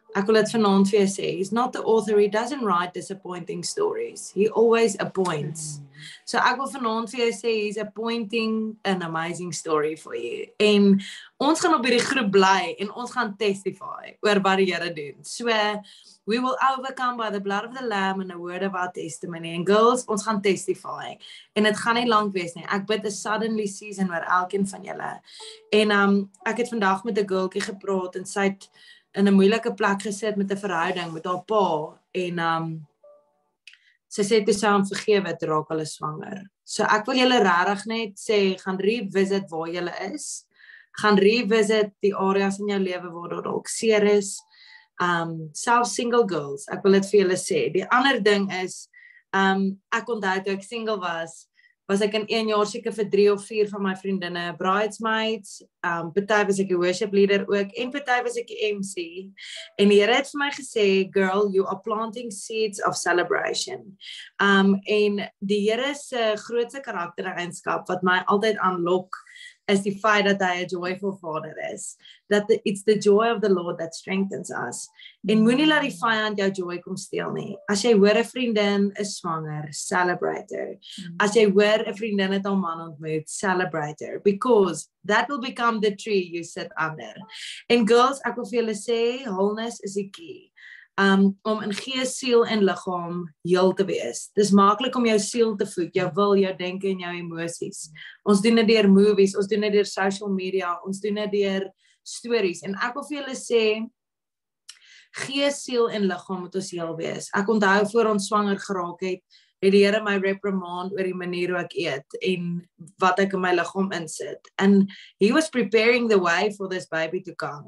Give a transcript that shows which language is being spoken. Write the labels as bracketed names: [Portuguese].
[Afrikaans] Ek wil dit vanaand vir jou sê. [English] He's not the author. He doesn't write disappointing stories. He always appoints. [Afrikaans] So ek wil vanaand vir jou sê, [English] he's appointing an amazing story for you. [Afrikaans] En ons gaan op hierdie groep bly en ons gaan testify oor wat die Here doen. [English] So, we will overcome by the blood of the Lamb and the word of our testimony. [Afrikaans] And girls, ons gaan testify. En het gaan nie lang wees nie. Ek bid [English] a suddenly season [Afrikaans] waar elkeen van julle. En ek het vandag met 'n girlkie gepraat en sy het in 'n moeilike plek gesit met 'n verhouding met haar pa en sy sê toe saam vergewe het raak hulle swanger. So ek wil julle regtig net sê, gaan revisit waar julle is. Gaan revisit die areas in jou lewe waar daar dalk seer is. Self single girls, ek wil dit vir julle sê. Die ander ding is, ek onthou toe ek single was, was ek in 1 jaar seker vir 3 of 4 van my vriendinne bridesmaids, party was ek die worship leader ook, en party was ek die MC, en die Here het vir my gesê, [English] girl, you are planting seeds of celebration. [Afrikaans] En die Here se grootste karaktereigenskap, wat my altyd aanlok, is die feit dat hy [English] a joyful father [Afrikaans] is. [English] That it's the joy of the Lord that strengthens us. [Afrikaans] En moenie laat die vyand jou joy kom steel nie. As jy hoor 'n vriendin is swanger, [English] celebrate her. [Afrikaans] As jy hoor 'n vriendin het 'n man ontmoet, [English] celebrate her. Because that will become the tree you sit under. [Afrikaans] En girls, ek wil vir julle sê, wholeness is die key. Om in gees, siel en liggaam heel te wees. Dis maklik om jou siel te voed, jou wil, jou denke en jou emosies. Ons doen dit deur movies, ons doen dit deur social media, ons doen dit deur stories. En ek wil vir julle sê, gees, siel en liggaam moet ons heel wees. Ek onthou voor ons swanger geraak het, het die Here my reprimand oor die manier hoe ek eet en wat ek in my liggaam insit. [English] And he was preparing the way for this baby to come.